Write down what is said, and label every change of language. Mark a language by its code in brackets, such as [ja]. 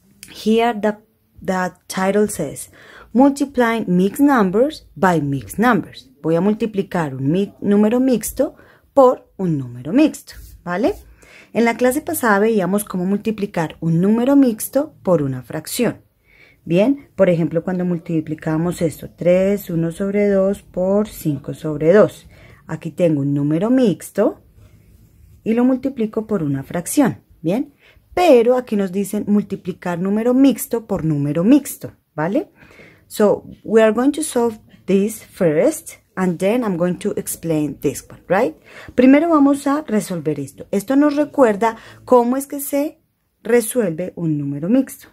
[en] Here the title says multiplying mixed numbers by mixed numbers. [es] Voy a multiplicar un número mixto por un número mixto, ¿vale? En la clase pasada veíamos cómo multiplicar un número mixto por una fracción. Bien, por ejemplo, cuando multiplicamos esto, 3, 1 sobre 2 por 5 sobre 2. Aquí tengo un número mixto y lo multiplico por una fracción, ¿bien? Pero aquí nos dicen multiplicar número mixto por número mixto, ¿vale? [en] So, we are going to solve this first and then I'm going to explain this one, right? [es] Primero vamos a resolver esto. Esto nos recuerda cómo es que se resuelve un número mixto.